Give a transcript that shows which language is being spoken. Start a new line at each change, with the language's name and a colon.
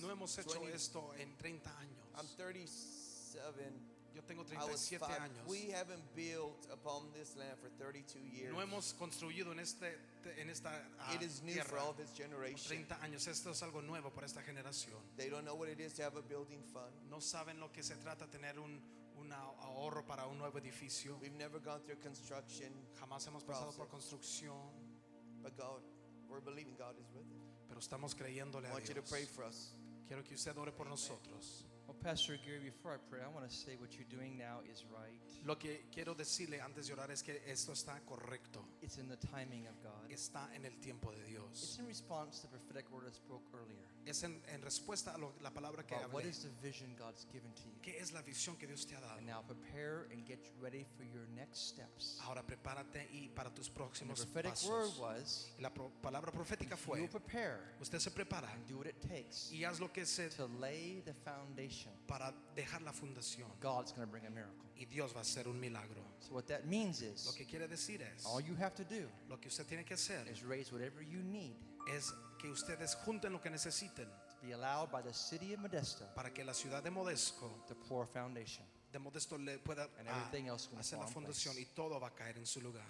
Spanish: No hemos hecho esto en 30 años.
English: I'm 37.
Spanish: Yo tengo 37 años.
English: We haven't built upon this land for 32 years.
Spanish: No hemos construido en esta
English: it is new for all this generation.
Spanish: 30 años. Esto es algo nuevo para esta generación.
English: They don't know what it is to have a building fund.
Spanish: No saben lo que se trata tener un ahorro para un nuevo edificio.
English: We've never gone through construction.
Spanish: Jamás hemos pasado por construcción.
English: But God, we're believing God is with us.
Spanish: Pero estamos creyéndole a Dios.
English: I want you to pray for us.
Spanish: Quiero que usted ore por nosotros.
English: Well, Pastor Gary, before I pray, I want to say what you're doing now is right.
Spanish: Lo que quiero decirle antes de orar es que esto está correcto.
English: It's in the timing of God.
Spanish: Está en el tiempo de Dios.
English: It's in response to the prophetic word I spoke earlier.
Spanish: Es en respuesta a la palabra que hablé.
English: What is the vision God's given to you?
Spanish: ¿Qué es la visión que Dios te ha dado?
English: And now prepare and get ready for your next steps.
Spanish: Ahora prepárate y para tus próximos pasos.
English: The prophetic word was.
Spanish: La palabra profética fue.
English: You prepare.
Spanish: Usted se prepara.
English: And do what it takes.
Spanish: Y haz lo que se.
English: To lay the foundation.
Spanish: Para dejar la fundación.
English: God's going to bring a miracle.
Spanish: Y Dios va a hacer un milagro.
English: So what that means is,
Spanish: lo que quiere decir es,
English: all you have to do,
Spanish: lo que usted tiene que hacer,
English: is raise whatever you need,
Spanish: es que ustedes junten lo que necesiten,
English: to be allowed by the city of Modesto,
Spanish: para que la ciudad de Modesto,
English: to pour a foundation,
Spanish: de Modesto le pueda
English: and everything else
Spanish: hacer la fundación, y todo va a caer en su lugar.